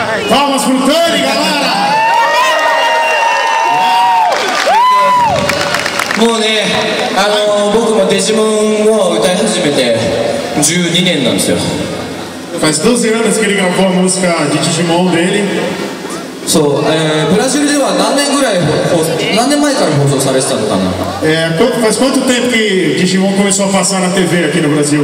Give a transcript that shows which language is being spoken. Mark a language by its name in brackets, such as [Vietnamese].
[Japanese] バーマスフルトゥーリガバーラ。もうね、僕もデジモンを歌い始めて12年なんですよ。 [Portuguese] Faz 12 anos que ele gravou a música de Digimon dele。 [Japanese] そう、ブラジルでは何年ぐらい、何年前から放送されてたのかな。 [Portuguese] Faz quanto tempo que Digimon começou a passar na TV aqui no Brasil?